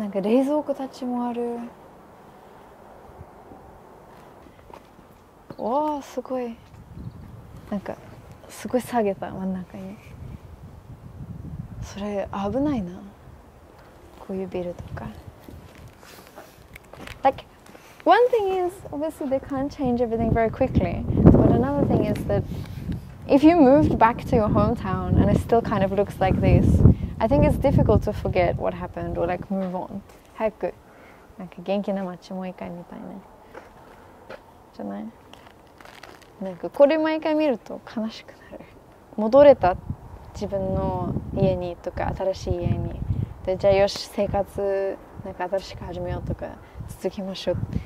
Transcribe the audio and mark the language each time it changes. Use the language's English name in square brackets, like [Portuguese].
[Japanese] なんか冷蔵庫たちもある。おお、すごい。なんかすごい下げた真ん中に。それ危ないな、こういうビルとか。 [English] Like one thing is obviously they can't change everything very quickly, but another thing is thatIf you moved back to your hometown and it still kind of looks like this, I think it's difficult to forget what happened or like move on. [Japanese] 早く、なんか元気な街もう一回みたいな、じゃない？なんかこれ毎回見ると悲しくなる。戻れた、自分の家にとか新しい家に。で、じゃあよし、生活なんか新しく始めようとか続きましょう。